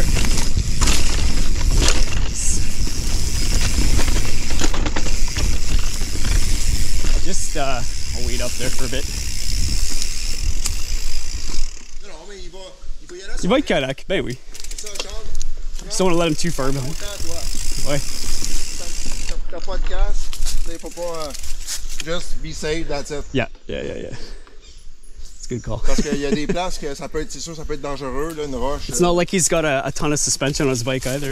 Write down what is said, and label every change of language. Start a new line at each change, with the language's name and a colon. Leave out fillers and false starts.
English: I'll just I'll wait up there for a bit. You might kayak, like, maybe. Just don't want to let him too far behind. Why? The podcast, say for just be safe, that's it. Yeah. It's a good call.
French: Parce qu'il y a des places que ça peut être, c'est sûr, ça peut être dangereux, là, une roche.
English: It's not like he's got a ton of suspension on his bike either.